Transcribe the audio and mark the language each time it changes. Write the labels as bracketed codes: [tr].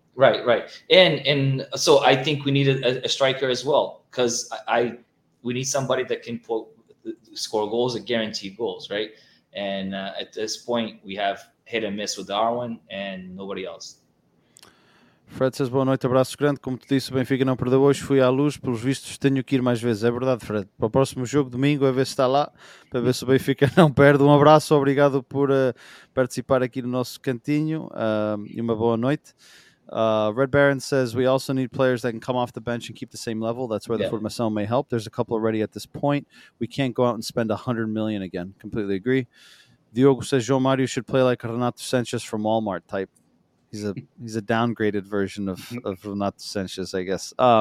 [en] right, and so I think we need a striker as well, because we need somebody that can score goals and guarantee goals, right? And at this point, we have hit and miss with Darwin and nobody else. [pt] Fred says, boa noite, abraço grande. Como tu disse, o Benfica não perdeu hoje, fui à luz, pelos vistos tenho que ir mais vezes. É verdade, Fred. Para o próximo jogo, domingo, a ver se está lá, para ver se o Benfica não perde. Um abraço, obrigado por participar aqui no nosso cantinho e uma boa noite. [en] Red Baron says, we also need players that can come off the bench and keep the same level. That's where the formação may help. There's a couple already at this point. We can't go out and spend $100 million again. Completely agree. Diogo says, João Mário should play like Renato Sanches from Walmart type. He's a downgraded version of Renato Sanches, I guess.